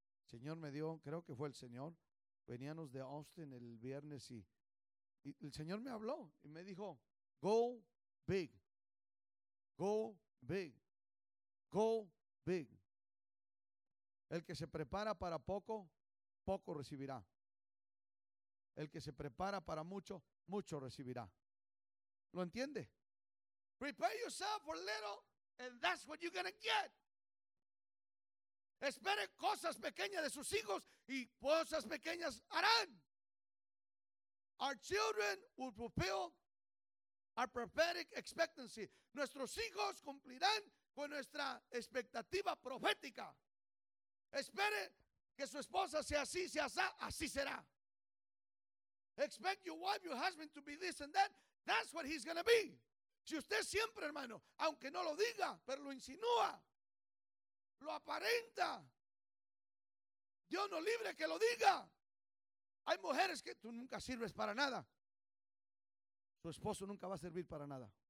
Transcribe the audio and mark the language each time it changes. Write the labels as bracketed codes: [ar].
[es] Señor me dio, creo que fue el Señor, veníamos de Austin el viernes y el Señor me habló y me dijo, [en] go big, go big. Go big. [es] El que se prepara para poco, poco recibirá. El que se prepara para mucho, mucho recibirá. ¿Lo entiende? [en] Prepare yourself for little and that's what you're going to get. [es] Espere cosas pequeñas de sus hijos y cosas pequeñas harán. [en] Our children will fulfill our prophetic expectancy. [es] Nuestros hijos cumplirán con nuestra expectativa profética. Espere que su esposa sea así, sea así, así será. [en] Expect your wife, your husband to be this and that. That's what he's going to be. [es] Si usted siempre, hermano, aunque no lo diga, pero lo insinúa, lo aparenta. Dios no libre que lo diga. Hay mujeres que tú nunca sirves para nada. Su esposo nunca va a servir para nada.